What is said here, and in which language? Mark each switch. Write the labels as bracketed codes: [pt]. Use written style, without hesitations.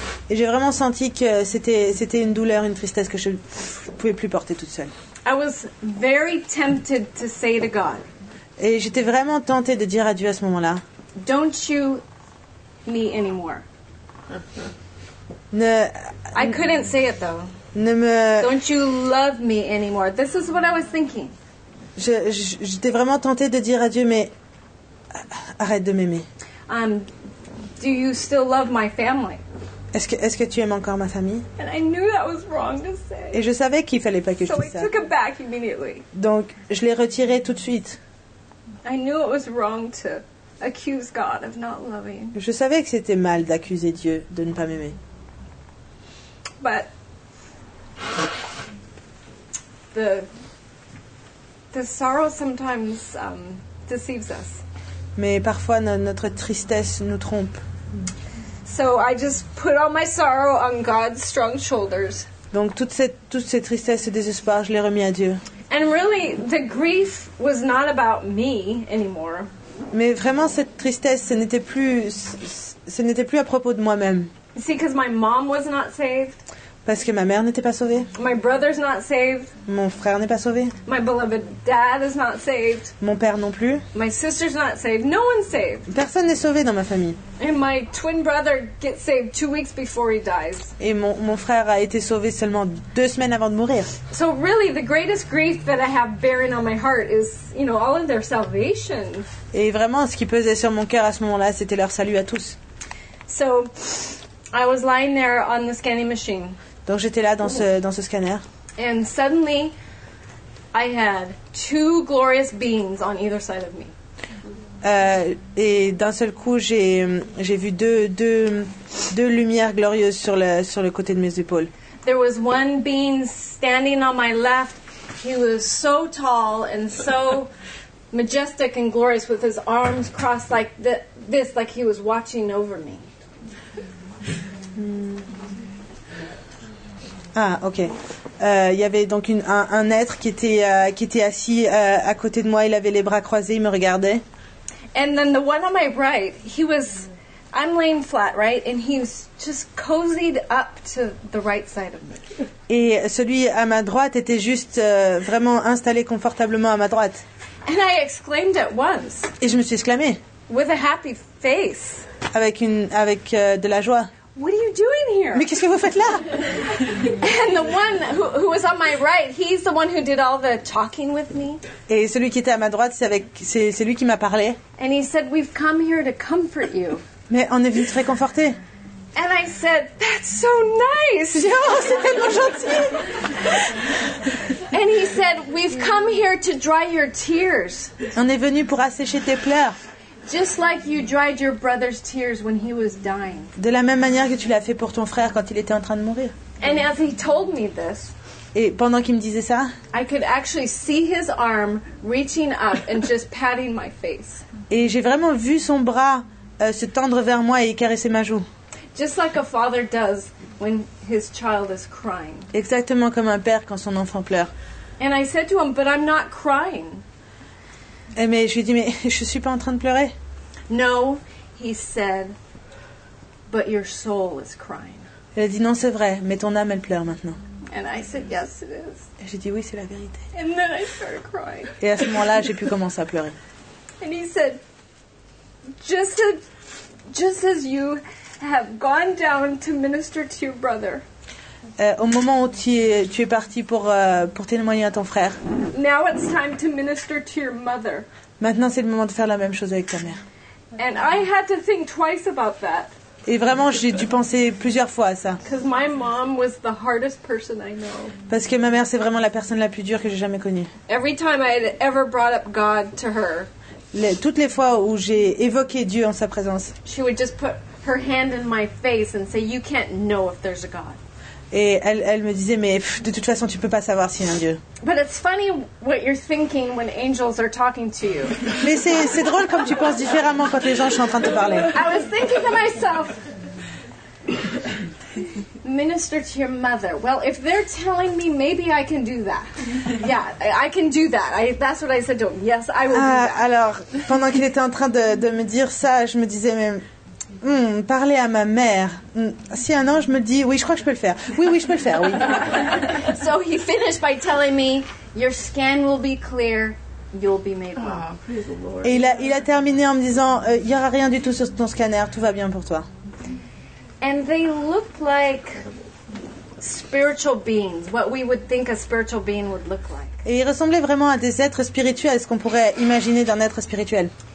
[fr] Et j'ai vraiment senti que c'était une douleur, une tristesse que je ne pouvais plus porter toute seule. [en] I was very tempted to say to God, [fr] et j'étais vraiment tentée de dire à Dieu à ce moment-là, [en] don't you me anymore. I couldn't say it though. Don't you love me anymore. This is what I was thinking. [fr] J'étais vraiment tentée de dire à Dieu, mais arrête de m'aimer. [en] Do you still love my family? [fr] Est-ce que tu aimes encore ma famille? [en] And I knew that was wrong to say. [fr] Et je savais qu'il fallait pas que je dise ça. [en] So I took it back immediately. [fr] Donc je l'ai retiré tout de suite. [en] I knew it was wrong to accuse God of not loving. [fr] Je savais que c'était mal d'accuser Dieu de ne pas m'aimer. [en] But the sorrow sometimes deceives us. [fr] Mais parfois notre tristesse nous trompe. [en] So I just put all my sorrow on God's strong shoulders. [fr] Donc toute cette tristesse et désespoir, je l'ai remis à Dieu. [en] And really, the grief was not about me anymore. [fr] Mais vraiment, cette tristesse, ce n'était plus à propos de moi-même. [en] See, because my mom was not saved. [fr] Parce que ma mère n'était pas sauvée. [en] My brother's not saved. [fr] Mon frère n'est pas sauvé. [en] My beloved dad is not saved. [fr] Mon père non plus. [en] My sister's not saved. No one's saved. [fr] Personne n'est sauvé dans ma famille. [en] And my twin brother gets saved 2 weeks before he dies. [fr] Et mon frère a été sauvé seulement 2 semaines avant de mourir. [en] So really, the greatest grief that I have bearing on my heart is, you know, all of their salvation. [fr] Et vraiment, ce qui pesait sur mon cœur à ce moment-là, c'était leur salut à tous. [en] So I was lying there on the scanning machine. [fr] Donc j'étais là dans ce scanner. [en] And suddenly, I had two glorious beings on either side of me. [fr] Et d'un seul coup, j'ai vu deux lumières glorieuses sur le côté de mes épaules. [en] There was one being standing on my left. He was so tall and so majestic and glorious, with his arms crossed like this, like he was watching over me. Ah, ok. [fr] Il y avait donc un être qui était assis à côté de moi. Il avait les bras croisés, il me regardait. [en] And then the one on my right, he was, I'm laying flat, right? And he's just cozied up to the right side of me. [fr] Et celui à ma droite était juste vraiment installé confortablement à ma droite. [en] And I exclaimed at once. [fr] Et je me suis exclamée. [en] With a happy face. [fr] Avec de la joie. [en] What are you doing here? [fr] Mais qu'est-ce que vous faites là? [en] And the one who was on my right, he's the one who did all the talking with me. [fr] Et celui qui était à ma droite, c'est lui qui m'a parlé. [en] And he said, we've come here to comfort you. [fr] Mais on est venu te réconforter. [en] And I said, that's so nice. [fr] Oh, c'est tellement gentil. [en] And he said, we've come here to dry your tears. [fr] On est venu pour assécher tes pleurs. [en] Just like you dried your brother's tears when he was dying. [fr] De la même manière que tu l'as fait pour ton frère quand il était en train de mourir. [en] And as he told me this, [fr] et pendant qu'il me disait ça, [en] I could actually see his arm reaching up and just patting my face. [fr] Et j'ai vraiment vu son bras se tendre vers moi et caresser ma joue. [en] Just like a father does when his child is crying. [fr] Exactement comme un père quand son enfant pleure. [en] And I said to him, but I'm not crying. [fr] Mais je lui dis, mais je suis pas en train de pleurer. [en] No, he said, but your soul is crying. [fr] Elle a dit, non, c'est vrai, mais ton âme, elle pleure maintenant. [en] And I said, yes, it is. [fr] Et j'ai dit, oui, c'est la vérité. [en] And then I started crying. [fr] Et à ce moment-là, j'ai pu commencer à pleurer. [en] And he said, just as you have gone down to minister to your brother. [fr] Au moment où tu es parti pour témoigner à ton frère. [en] Now it's time to minister to your mother. [fr] Maintenant, c'est le moment de faire la même chose avec ta mère. [en] And I had to think twice about that. [fr] Et vraiment, j'ai dû penser plusieurs fois à ça. [en] Because my mom was the hardest person I know. [fr] Parce que ma mère, c'est vraiment la personne la plus dure que j'ai jamais connue. [en] Every time I had ever brought up God to her. [fr] Toutes les fois où j'ai évoqué Dieu en sa présence. [en] She would just put her hand in my face and say, "You can't know if there's a God." [fr] Et elle me disait, mais de toute façon, tu peux pas savoir s'il y a un Dieu. [en] But it's funny what you're thinking when angels are talking to you. [fr] Mais c'est drôle comme tu penses différemment quand les anges sont en train de te parler. [en] I was thinking to myself, minister to your mother. Well, if they're telling me, maybe I can do that. Yeah, I can do that. That's what I said to him. Yes, I will do that. [fr] Alors, pendant qu'il était en train de me dire ça, je me disais, mais parler à ma mère. Si un ange me dit, oui, je crois que je peux le faire. Oui, je peux le faire, oui. [en] So he finished by telling me, your scan will be clear, you'll be made well. Oh, [fr] et il a terminé en me disant, il n'y aura rien du tout sur ton scanner, tout va bien pour toi. [en] And they look like spiritual beings, what we would think a spiritual being would look like. [fr] Et ils ressemblaient vraiment à des êtres spirituels, ce qu'on pourrait imaginer d'un être spirituel.